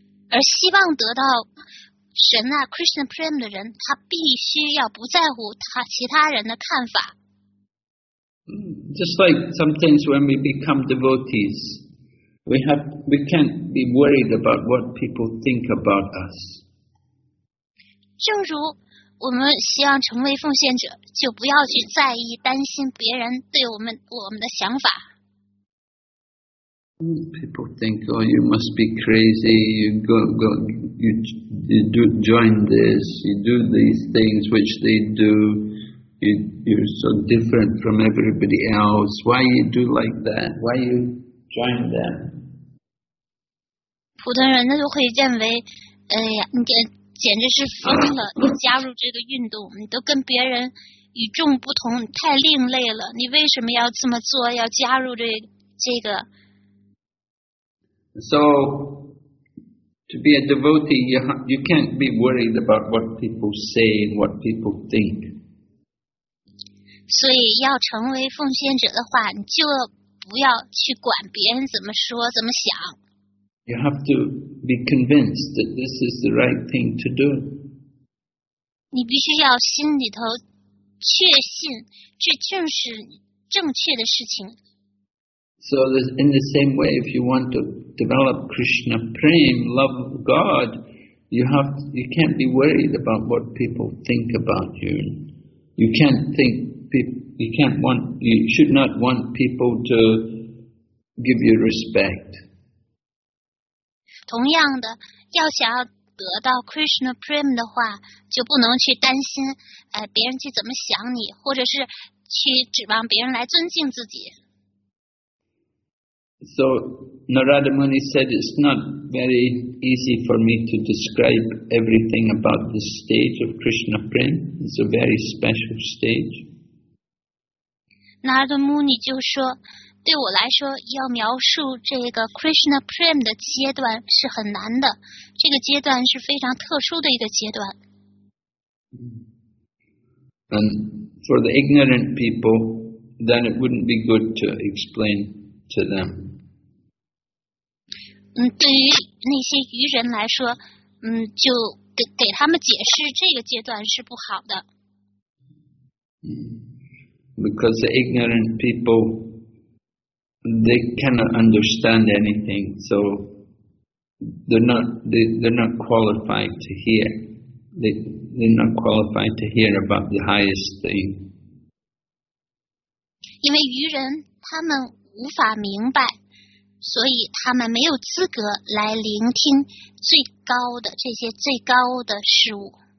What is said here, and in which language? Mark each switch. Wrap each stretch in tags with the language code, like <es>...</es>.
<zh>而希望得到神啊 Krishna Prem 的人他必须要不在乎他其他人的看法。</zh> <en>Just like sometimes when we become devotees, we can't be worried about what people think about us.</en> <zh>正如我们希望成为奉献者，就不要去在意担心别人对我们的想法。</zh> <en>People think, oh, you must be crazy. You join this. You do these things which they do. You're so different from everybody else. Why you do like that? Why you join them?</en> <zh>普通人都会认为，哎呀，你简直是疯了！你加入这个运动，你都跟别人与众不同，太另类了。你为什么要这么做？要加入这个？</zh> <en>So, to be a devotee, you can't be worried about what people say and what people think.</en> <zh>所以要成为奉献者的话，你就不要去管别人怎么说、怎么想。</zh> <en>You have to be convinced that this is the right thing to do.</en> <zh>你必须要心里头确信，这正是正确的事情。</zh> <en>So in the same way, if you want to develop Krishna Prem, love of God, you can't be worried about what people think about you. You should not want people to give you respect.</en> <zh>同样的，要想要得到 Krishna Prem 的话，就不能去担心，别人去怎么想你，或者是去指望别人来尊敬自己。</zh> <en>So Narada Muni said, "It's not very easy for me to describe everything about the stage of Krishna Prem. It's a very special stage."</en> <zh>Narada Muni 就说，对我来说，要描述这个 Krishna Prem 的阶段是很难的。这个阶段是非常特殊的一个阶段。</zh> <en>And for the ignorant people, then it wouldn't be good to explain to them.</en> <zh>对于那些愚人来说，就给他们解释这个阶段是不好的。</zh> <en>Because the ignorant people, they cannot understand anything, so they're not qualified to hear. They're not qualified to hear about the highest thing.</en> <zh>因为愚人他们无法明白。所以他们没有资格来聆听最高的这些最高的事物。</zh>